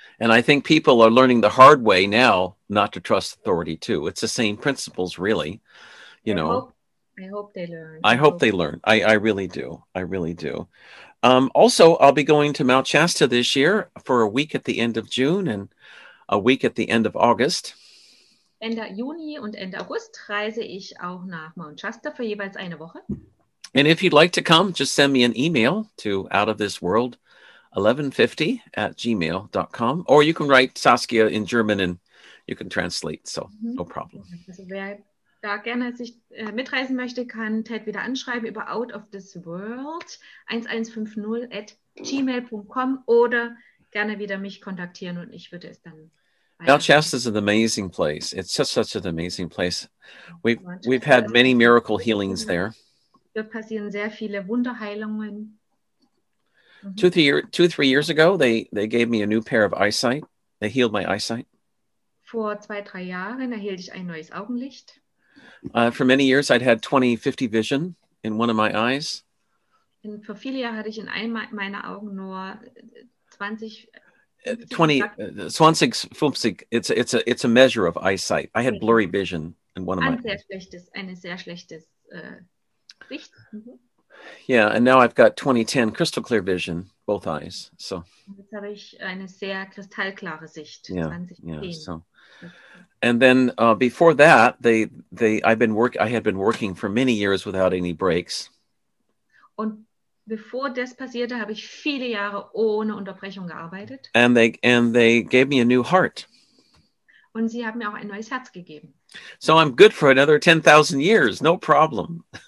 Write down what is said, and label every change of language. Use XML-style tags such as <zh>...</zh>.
<en>And I think people are learning the hard way now not to trust authority too. It's the same principles, really. You know. I hope they learn. I really do. Also, I'll be going to Mount Shasta this year for a week at the end of June and a week at the end of August.</en> <de>Ende Juni und Ende August reise ich auch nach Mount Shasta für jeweils eine Woche.</de> <en>And if you'd like to come, just send me an email to outofthisworld1150@gmail.com, or you can write Saskia in German and you can translate, so no problem.</en> <de>Da gerne sich mitreisen möchte, kann Ted wieder anschreiben über outofthisworld1150@gmail.com oder gerne wieder mich kontaktieren und ich würde es dann.</de> <en>Mount Shasta is an amazing place. It's just such an amazing place. We've had many miracle healings there.</en> <de>Dort passieren sehr viele Wunderheilungen.</de> <en>Two, three years ago, they gave me a new pair of eyesight. They healed my eyesight.</en> <de>Vor 2, 3 Jahren erhielt ich ein neues Augenlicht.</de> <en>For many years, I'd had 20/50 vision in one of my eyes.</en> <de>Und für viele Jahre hatte ich in einem meiner Augen nur 20/50.</de> <en>It's a measure of eyesight. I had blurry vision in one of my eyes.</en> <de>Eine sehr schlechtes Sicht.</de> <en>Yeah, and now I've got 20/10 crystal clear vision, both eyes. So.</en> <de>Jetzt habe ich eine sehr kristallklare Sicht.</de> <en>Yeah. 20/10. Yeah. So. And then before that, I had been working for many years without any breaks.</en> <de>Und Bevor das passierte, habe ich viele Jahre ohne Unterbrechung gearbeitet.</de> <en>And they gave me a new heart.</en> <de>Und sie haben mir auch ein neues Herz gegeben.</de> <en>So I'm good for another 10,000 years, no problem.</en>